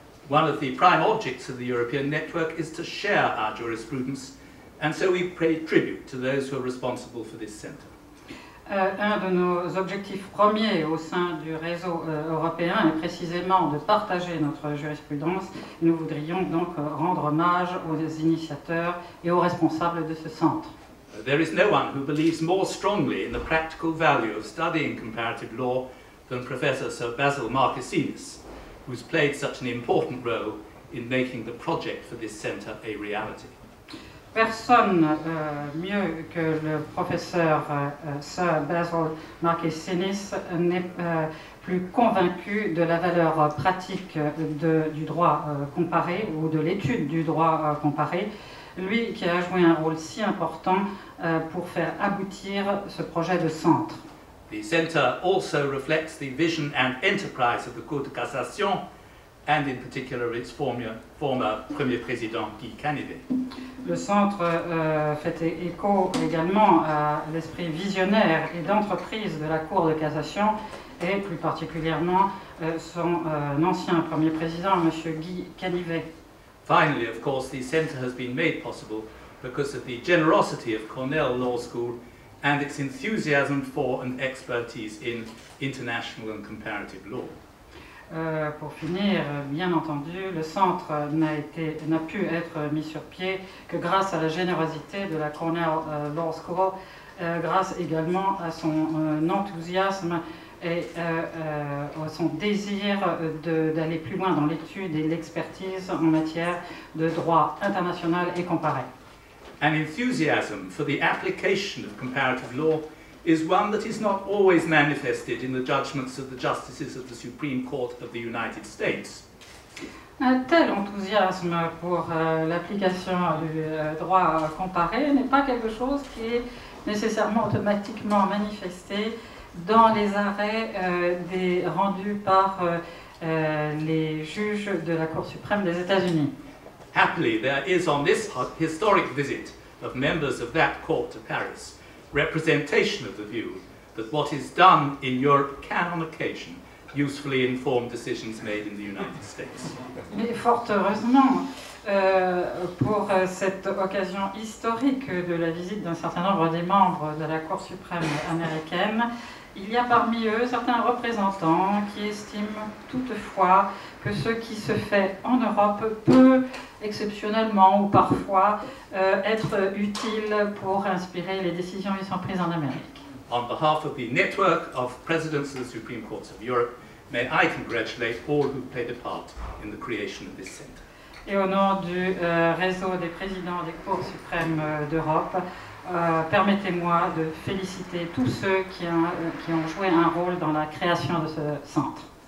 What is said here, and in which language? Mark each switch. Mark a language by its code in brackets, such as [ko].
[en] One of the prime objects of the European network is to share our jurisprudence, and so we pay tribute to those who are responsible for this center. [fr] Un de nos objectifs premiers au sein du réseau européen est précisément de partager notre jurisprudence. Nous voudrions donc rendre hommage aux initiateurs et aux responsables de ce centre. [en] There is no one who believes more strongly in the practical value of studying comparative law than Professor Sir Basil Marquesinus, who's played such an important role in making the project for this centre a reality. [fr] Personne mieux que le professeur Sir Basil Marquesinus n'est plus convaincu de la valeur pratique du droit comparé ou de l'étude du droit comparé, lui qui a joué un rôle si important pour faire aboutir ce projet de centre. [en] The center also reflects the vision and enterprise of the Cour de Cassation and in particular its former Premier Président Guy Canivet. [fr] Le centre fait écho également à l'esprit visionnaire et d'entreprise de la Cour de Cassation et plus particulièrement son ancien Premier Président, M. Guy Canivet. [en] Finally, of course, the center has been made possible because of the generosity of Cornell Law School and its enthusiasm for and expertise in international and comparative law. [fr] Pour finir, bien entendu, le centre n'a pu être mis sur pied que grâce à la générosité de la Cornell Law School, grâce également à son enthousiasme et son désir d'aller plus loin dans l'étude et l'expertise en matière de droit international et comparé. [en] An enthusiasm for the application of comparative law is one that is not always manifested in the judgments of the justices of the Supreme Court of the United States. [fr] Un tel enthousiasme pour l'application du droit comparé n'est pas quelque chose qui est nécessairement automatiquement manifesté dans les arrêts rendus par les juges de la Cour suprême des États-Unis. [en] Happily, there is on this historic visit of members of that court to Paris representation of the view that what is done in Europe can on occasion usefully informed decisions made in the United States. [fr] Mais fort heureusement, pour cette occasion historique de la visite d'un certain nombre des membres de la Cour suprême américaine, il y a parmi eux certains représentants qui estiment toutefois que ce qui se fait en Europe peut exceptionnellement ou parfois être utile pour inspirer les décisions qui sont prises en Amérique. [en] On behalf of the network of presidents of the Supreme Courts of Europe, may I congratulate all who played a part in the creation of this center. [fr] Et au nom du réseau des présidents des cours suprêmes d'Europe, permettez-moi de féliciter tous ceux qui ont joué un rôle dans la création de ce centre.